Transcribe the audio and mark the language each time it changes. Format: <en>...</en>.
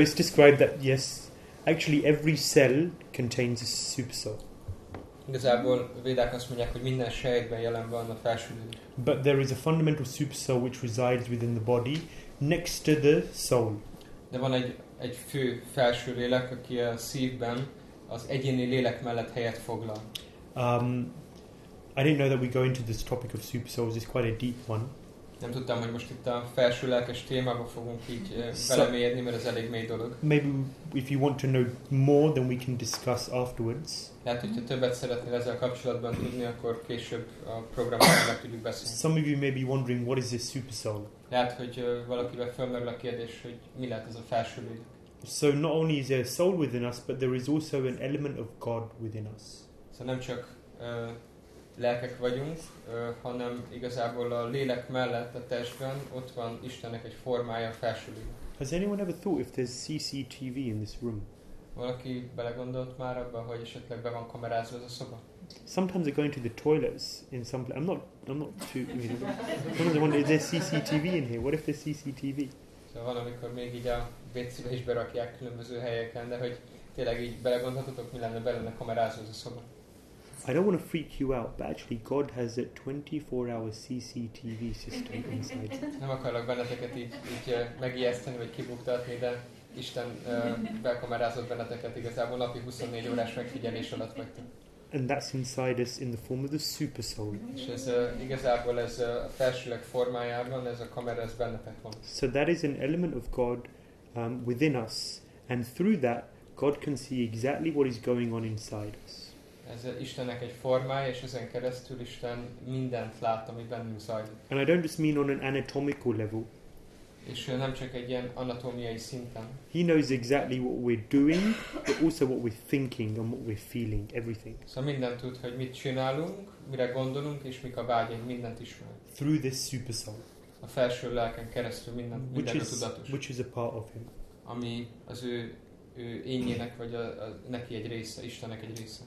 <en>it's described that yes, actually every cell contains a super soul.</en> <hu>Igazából védák azt mondják, hogy minden sejtben jelen van a felső lélek.</hu> <en>But there is a fundamental super soul which resides within the body, next to the soul.</en> <hu>De van egy fő felső lélek, aki a szívben, az egyéni lélek mellett helyet foglal.</hu> <en>I didn't know that we go into this topic of super souls. It's quite a deep one.</en> <hu>Nem tudtam, hogy most itt a felső lelkes témába fogunk így belemélyedni, mert ez elég mély dolog.</hu> <en>Maybe if you want to know more, then we can discuss afterwards.</en> <hu>Lehet, hogyha többet szeretnél ezzel kapcsolatban tudni, akkor később a programban meg tudjuk beszélni.</hu> <en>Some of you may be wondering, what is this super soul?</en> <hu>Lehet, hogy valakivel felmerül a kérdés, hogy mi lehet ez a felső lélek.</hu> <en>So not only is there a soul within us, but there is also an element of God within us.</en> <hu>Szóval nem csak lelkek vagyunk, hanem igazából a lélek mellett, a testben, ott van Istennek egy formája, a felső lélek.</hu> <en>Has anyone ever thought if there's CCTV in this room?</en> <hu>Valaki belegondolt már abba, hogy esetleg be van kamerázva ez a szoba?</hu> <en>Sometimes I go into the toilets in some place. Sometimes I wonder, is there CCTV in here? What if there's CCTV?</en> <hu>Szóval van, amikor még így a WC-be is berakják különböző helyeken, de hogy tényleg így belegondoltatok, mi lenne belenne kamerázva ez a szoba?</hu> <en>I don't want to freak you out, but actually God has a 24-hour CCTV system inside.</en> <hu>Nem akarlak benneteket így megijeszteni, vagy kibuktatni, de Isten bekamerázott benneteket igazából napi 24 órás megfigyelés alatt vagytok.</hu> <en>And that's inside us in the form of the super soul.</en> <hu>És ez igazából ez a felsőleg formájában, ez a kamera, ez bennetek van.</hu> <en>So that is an element of God within us, and through that, God can see exactly what is going on inside us.</en> <hu>Ez Istennek egy formája, és ezen keresztül Isten mindent lát, ami bennünk zajlik.</hu> <en>And I don't just mean on an anatomical level.</en> <hu>És nem csak egy ilyen anatómiai szinten.</hu> <en>He knows exactly what we're doing, but also what we're thinking and what we're feeling, everything.</en> <hu>Szóval mindent tud, hogy mit csinálunk, mire gondolunk, és mik a vágyaink, mindent ismer.</hu> <en>Through this super soul.</en> <hu>A felső lelken keresztül mindenre tudatos.</hu> <en>Which is a part of him.</en> <hu>Ami az ő énjének, vagy neki egy része, Istennek egy része.</hu>